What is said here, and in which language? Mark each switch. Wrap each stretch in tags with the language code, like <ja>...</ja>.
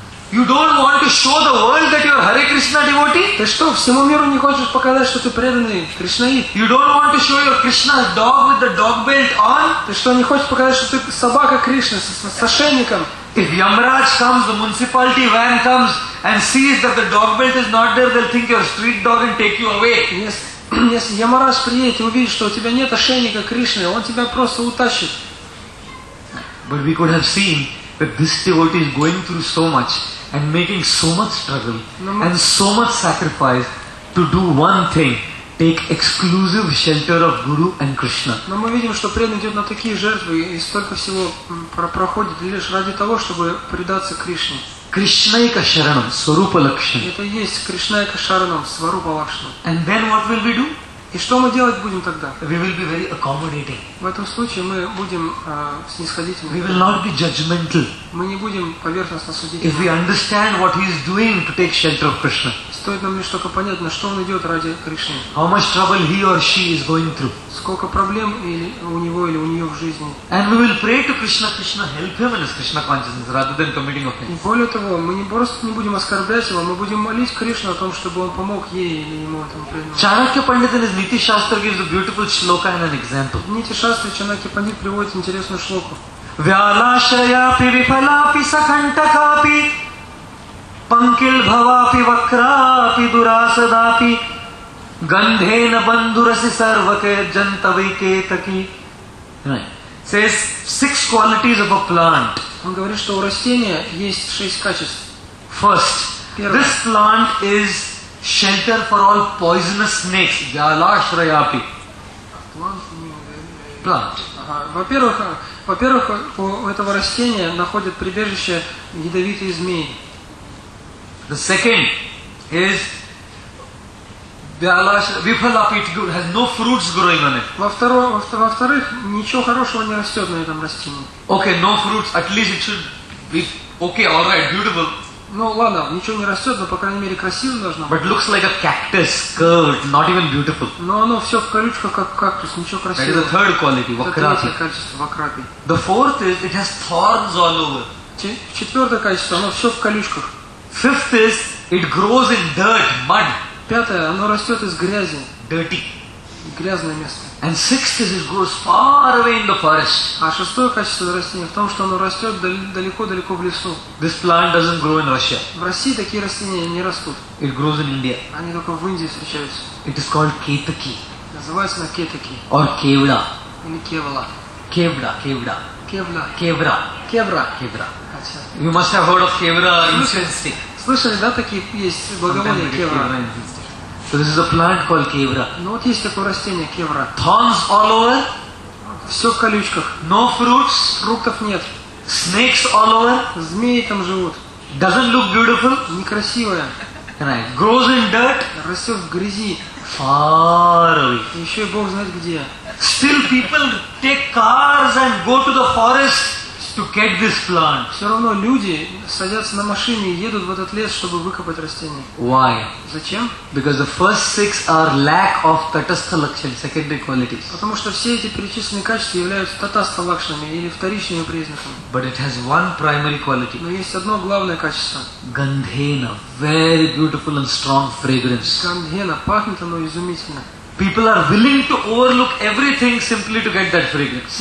<en>You don't want to show the world that you are Hare Krishna devotee?</en> <ru>Ты что, всему миру не хочешь показать, что ты преданный Кришнаид?</ru> <en>You don't want to show your Krishna dog with the dog belt on?</en> <ru>Ты что, не хочешь показать, что ты собака Кришны с ошейником?</ru> <en>If Yamraj comes, the municipality van comes and sees that the dog belt is not there, they'll think you're a street dog and take you away. Yes.</en> <ru>Если Ямараш приедет и увидит, что у тебя нет ошейника Кришны, он тебя просто утащит.</ru> <en>But we could have seen that this devotee is going through so much and making so much struggle and so much sacrifice to do one thing, take exclusive shelter of Guru and Krishna.</en> <ru>Но мы видим, что преданный идет на такие жертвы и столько всего проходит лишь ради того, чтобы предаться Кришне.</ru> <sa>Krishnaika Sharanam, Swarupa Lakshanam.</sa> <ru>Это есть Krishnaika Sharanam, Swarupa Lakshanam.</ru> <en>And then what will we do?</en> <ru>И что мы делать будем тогда?</ru> <en>We will be very accommodating.</en> <ru>В этом случае мы будем снисходительны.</ru> <en>We will not be judgmental.</en> <ru>Мы не будем поверхностно судить.</ru> <en>If we understand what he is doing to take shelter of Krishna.</en> <ru>Стоит нам лишь только понять, на что он идет ради Кришны.</ru> <en>How much trouble he or she is going through.</en> <ru>Сколько проблем у него или у нее в жизни.</ru> <en>And we will pray to Krishna, Krishna help him in his Krishna consciousness rather than committing offense.</en> <ru>И более того, мы не просто не будем оскорблять его, мы будем молить Кришну о том, чтобы он помог ей или ему этому преданному.</ru> <en>Чанакья Пандит из Нити Шастра gives a beautiful шлока and an example.</en> <ru>Нити Шастра и Чанакья Пандит приводит интересную шлоку.</ru> <sa>Вялашаяпи випалапи сахантакапи Панкил бхавапи вакрапи дурасадапи Гандхена бандураси сарваке джантавайке таки.</sa> <en>Says six qualities of a plant.</en> <ru>Он говорит, что у растения есть шесть качеств.</ru> <en>First,</en> <ru>первое.</ru> <en>This plant is shelter for all poisonous snakes.</en> <sa>Вялашаяпи.</sa> <en>Plant.</en> <ru>Во-первых, у этого растения находят прибежище ядовитые змеи.</ru> <en>The second is Vipalapitgur has no fruits growing on it.</en> <ru>Во-вторых, ничего хорошего не растет на этом растении.</ru> <en>Okay, no fruits. At least it should be okay, all right, beautiful.</en> <ru>Ну ладно, ничего не растет, но по крайней мере красиво должно быть.</ru> <en>But looks like a cactus, curled, not even beautiful.</en> <ru>Но оно все в колючках, как кактус, ничего красивого.</ru> <en>That is the third quality, vakrapi.</en> <ru>Это третье качество, vakrapi.</ru> <en>The fourth is it has thorns all over.</en> <ru>Четвертое качество, оно все в колючках.</ru> <en>Fifth is it grows in dirt, mud.</en> <ru>Пятое, оно растет из грязи.</ru> <en>Dirty.</en> <ru>Грязное место.</ru> <en>And sixth is it grows far away in the forest.</en> <ru>А шестое качество растения в том, что оно растет далеко-далеко в лесу.</ru> <en>This plant doesn't grow in Russia.</en> <ru>В России такие растения не растут.</ru> <en>It grows in India.</en> <ru>Они только в Индии встречаются.</ru> <en>It is called Ketaki.</en> <ru>Называется на Ketaki.</ru> <en>Or Kevla.</en> <ru>Или Kevla.</ru> <en>Kevla, Kevla. Kevla. Kevra. Kevra. Kevra. You must have heard of Kevra incense stick.</en> <ru>Слышали, да, такие есть благовония Kevra?</ru> <en>So this is a plant called Kevra.</en> <ru>Ну вот есть такое растение Kevra.</ru> <en>Thorns all over.</en> <ru>Все в колючках.</ru> <en>No fruits.</en> <ru>Фруктов нет.</ru> <en>Snakes all over.</en> <ru>Змеи там живут.</ru> <en>Doesn't look beautiful.</en> <ru>Некрасивое.</ru> <en>Right. Grows in dirt.</en> <ru>Растет в грязи.</ru> <en>Far away.</en> <ru>Еще и Бог знает где.</ru> <en>Still people take cars and go to the forest to get this plant.</en> <ru>Все равно люди садятся на машины и едут в этот лес, чтобы выкопать растение.</ru> <en>Why?</en> <ru>Зачем?</ru> <en>Because the first six are lack of tatastha lakshan, secondary qualities.</en> <ru>Потому что все эти перечисленные качества являются tatastha lakshanами или вторичными признаками.</ru> <en>But it has one primary quality.</en> <ru>Но есть одно главное качество.</ru> <en>Gandhena, very beautiful and strong fragrance.</en> <ru>Гандхена, пахнет оно изумительно.</ru> <en>People are willing to overlook everything simply to get that fragrance.</en>